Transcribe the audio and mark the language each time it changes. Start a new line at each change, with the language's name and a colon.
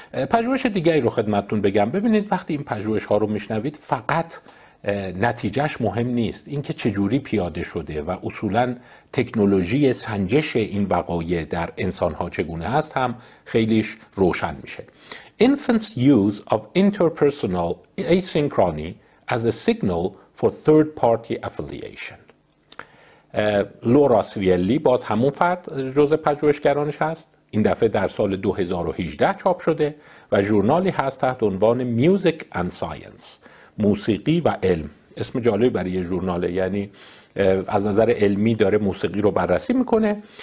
Persian: پژوهش دیگری رو خدمتتون بگم. ببینید وقتی این پژوهش‌ها رو میشنوید، فقط نتیجهش مهم نیست، اینکه چه جوری پیاده شده و اصولاً تکنولوژی سنجش این وقایع در انسان‌ها چگونه است هم خیلیش روشن میشه.
English: Infants use of interpersonal asynchrony as a signal for third party affiliation.
Persian: لورا سیرلی، باز همون فرد جزء پژوهشگرانش هست، این دفعه در سال 2018 چاپ شده و ژورنالی هست تحت عنوان Music and Science، موسیقی و علم. اسم جالبی برای یه ژورناله، یعنی از نظر علمی داره موسیقی رو بررسی میکنه.